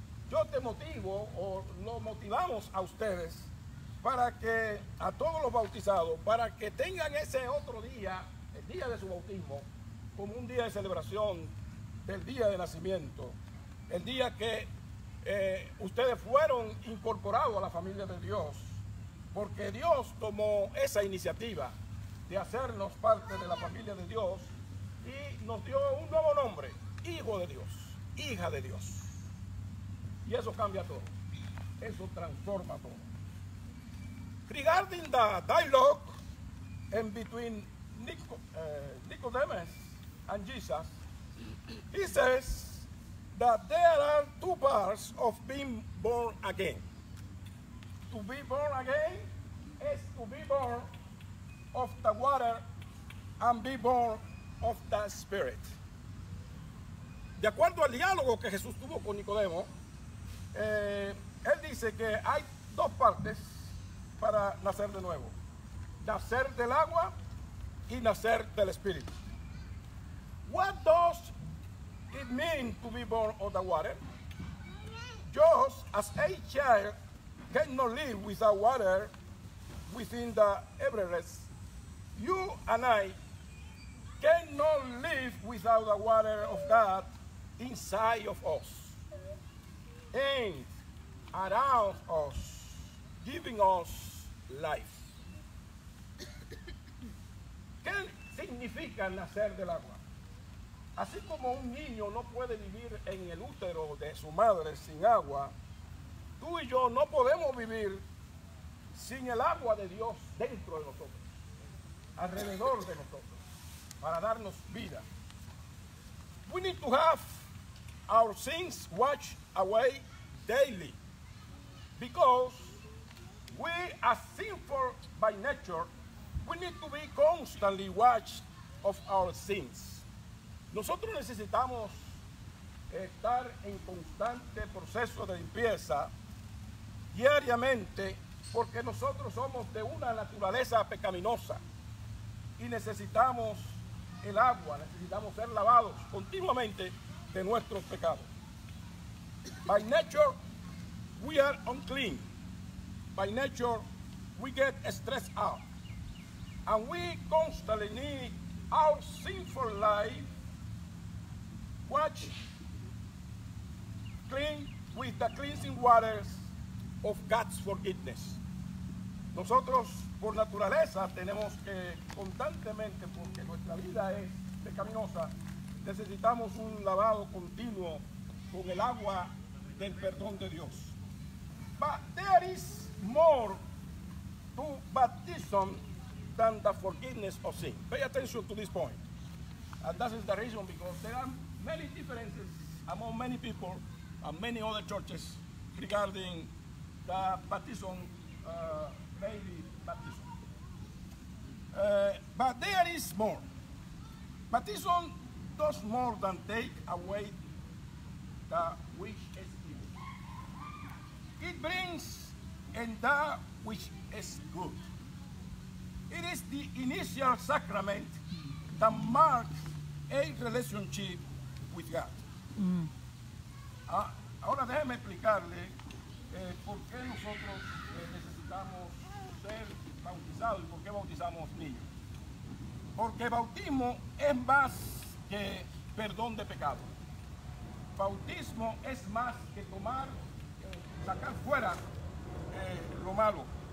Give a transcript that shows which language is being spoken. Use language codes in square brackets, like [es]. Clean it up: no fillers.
[es] Yo te motivo o lo motivamos a ustedes para que a todos los bautizados, para que tengan ese otro día, el día de su bautismo, como un día de celebración del día de nacimiento, el día que ustedes fueron incorporados a la familia de Dios, porque Dios tomó esa iniciativa de hacernos parte de la familia de Dios y nos dio un nuevo nombre, Hijo de Dios, Hija de Dios. Y eso cambia todo, eso transforma todo. [en] Regarding the dialogue in between Nicodemus and Jesus, he says that there are two parts of being born again. To be born again is to be born of the water and be born of the Spirit. [es] De acuerdo al diálogo que Jesús tuvo con Nicodemo, él dice que hay dos partes para nacer de nuevo: nacer del agua y nacer del Espíritu. [en] What does it mean to be born of the water? Just as a child cannot live without water within the Everest, you and I cannot live without the water of God inside of us and around us, giving us life. [es] ¿Qué significa nacer del agua? Así como un niño no puede vivir en el útero de su madre sin agua, tú y yo no podemos vivir sin el agua de Dios dentro de nosotros, alrededor de nosotros, para darnos vida. [en] We need to have our sins washed away daily, because we are sinful by nature. We need to be constantly washed of our sins. [es] Nosotros necesitamos estar en constante proceso de limpieza diariamente, porque nosotros somos de una naturaleza pecaminosa y necesitamos el agua, necesitamos ser lavados continuamente de nuestros pecados. [en] By nature, we are unclean. By nature, we get stressed out. And we constantly need our sinful life washed clean with the cleansing waters of God's forgiveness. [es] Nosotros, por naturaleza, tenemos que constantemente, porque nuestra vida es pecaminosa, necesitamos un lavado continuo con el agua del perdón de Dios. [en] But there is more to baptism than the forgiveness of sin. Pay attention to this point. And that is the reason, because there are many differences among many people and many other churches regarding the baptism, baby baptism. But there is more. Baptism does more than take away the which is evil. It brings in that which is good. It is the initial sacrament that marks a relationship with God. [es] Ahora déjeme explicarle por qué nosotros necesitamos ser bautizados y por qué bautizamos niños. Porque bautismo es más que perdón de pecado. Bautismo es más que tomar, sacar fuera lo malo.